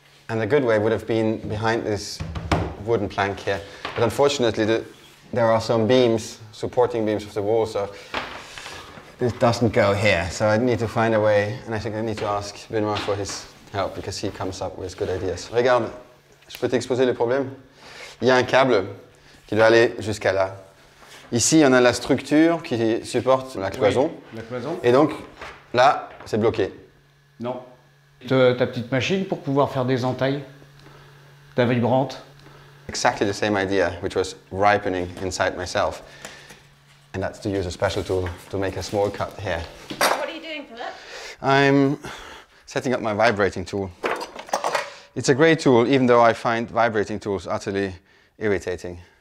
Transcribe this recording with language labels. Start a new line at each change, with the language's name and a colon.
English: And the good way would have been behind this wooden plank here. But unfortunately, there are some beams, supporting beams of the wall, so this doesn't go here. So I need to find a way, and I think I need to ask Benoit for his help, because he comes up with good ideas.
French: Regarde, je peux t'exposer le problème. Il y a un câble qui doit aller jusqu'à là. Ici, on a la structure qui supporte la cloison. Oui, la cloison. Et donc, là, c'est bloqué. Non. Ta petite machine pour pouvoir faire des entailles, ta vibrante.
English: Exactly the same idea, which was ripening inside myself. And that's to use a special tool to make a small cut here. What are you doing, Philip? I'm setting up my vibrating tool. It's a great tool, even though I find vibrating tools utterly irritating.